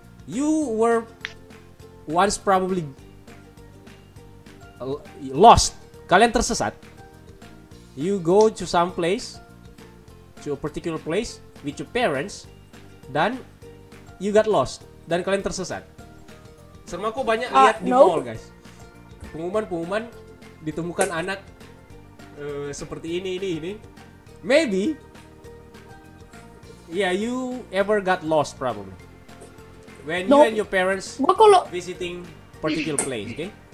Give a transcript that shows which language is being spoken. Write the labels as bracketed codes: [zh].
[en] You were once probably lost. [id] Kalian tersesat. [en] You go to some place, to a particular place with your parents, dan you got lost [id] dan kalian tersesat. Serem aku banyak lihat di mall, guys. Pengumuman-pengumuman ditemukan anak seperti ini. [en] Maybe yeah, you ever got lost probably. When you and your parents visiting particular place, okay?